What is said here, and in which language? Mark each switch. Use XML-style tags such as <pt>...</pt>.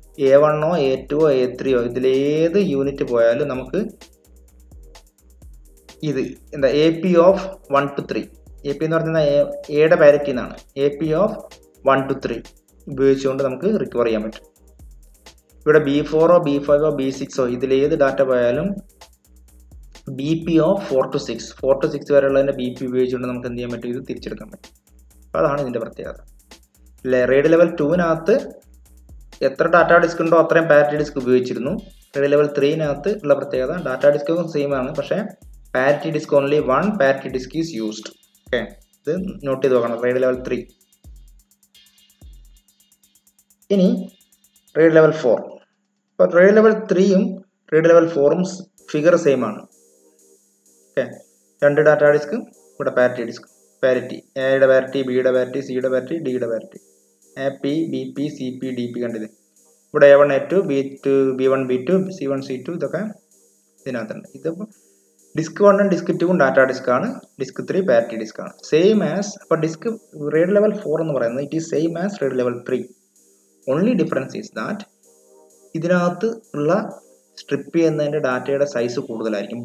<ml>A1 A2 A3 ഇതിലേത് unit പോയാലും നമുക്ക് ഇത് എന്താ AP of 1 to 3. AP എന്ന് പറഞ്ഞാൽ A യുടെ പാരിറ്റി എന്നാണ്. AP of 1 to 3 ഉപയോഗിച്ചുകൊണ്ട് നമുക്ക് റിക്കവർ ചെയ്യാൻ പറ്റും. ഇവിടെ B4 B5 B6 ഇതിലേത് ഡാറ്റ പോയാലും BP of 4 to 6. 4 to 6 വരെയുള്ളതിൻ്റെ BP ഉപയോഗിച്ചുകൊണ്ട് നമുക്ക് എന്ത് ചെയ്യാൻ പറ്റും? ഇത് തിരിച്ചെടുക്കാൻ പറ്റും. അപ്പോൾ അതാണ് ഇതിൻ്റെ പ്രത്യേകത. അല്ലേ, റെയ്ഡ് ലെവൽ 2 എത്ര ഡാറ്റ ഡിസ്ക് ഉണ്ടോ അത്രയും പാരിറ്റി ഡിസ്ക് ഉപയോഗിച്ചിരുന്നു. റെയ്ഡ് ലെവൽ 3 ഉള്ള പ്രത്യേകത ഡാറ്റ ഡിസ്കും സെയിം ആണ്, പക്ഷേ parity disk</ml> <en>Only 1 parity disk is used.</en> <ml>Okay, ഇത് നോട്ട് ചെയ്ത് നോക്കണം. Raid level 3. ഇനി റെയ്ഡ് ലെവൽ 4. അപ്പോൾ raid level 3 raid level 4 figure same ആണ്. ഓക്കെ, രണ്ട് ഡാറ്റ ഡിസ്ക്, ഇവിടെ പാരിറ്റി ഡിസ്ക്. പാരിറ്റി എയുടെ പാരിറ്റി, ബിയുടെ പാരിറ്റി, സിയുടെ പാരിറ്റി, ഡിയുടെ parity. AP BP CP DP കണ്ടത്. ഇവിടെ A1 A2 B2 B1 B2 C1 C2 ഇതൊക്കെ ഇതിനകത്തുണ്ട്. ഇതിപ്പോൾ disk 1 disk 2 data ഡിസ്ക്കാണ്, disk 3 parity ഡിസ്ക്കാണ്.</ml> <en>same as,</en> <ml>അപ്പോൾ ഡിസ്ക് റെയ്ഡ് ലെവൽ 4 എന്ന് പറയുന്നത്</ml> <en>It is same as RAID level 3. Only difference is that</en> <ml>ഇതിനകത്ത് ഉള്ള സ്ട്രിപ്പ് ചെയ്യുന്നതിൻ്റെ ഡാറ്റയുടെ സൈസ് കൂടുതലായിരിക്കും.</ml>